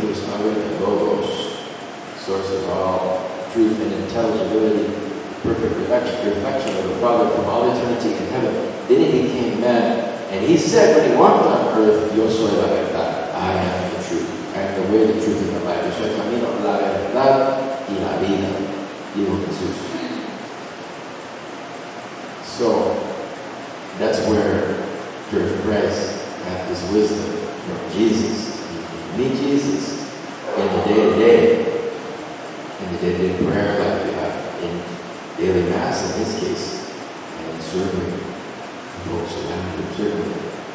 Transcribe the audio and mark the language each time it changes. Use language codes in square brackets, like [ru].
[en] He was already the Logos, source of all truth and intelligibility, perfect reflection of the Father from all eternity in heaven. Then he became man. And he said when he walked on earth, [es] Yo soy la verdad. [en] I am the truth. I am the way, the truth, and the life. [es] Yo soy camino, la verdad, y la vida. Dijo Jesús. [en] So, that's where George Price had this wisdom from Jesus. He meet Jesus in the day-to-day, in the day-to-day prayer life we have, in daily Mass in his case, and in serving folks around him, serving him.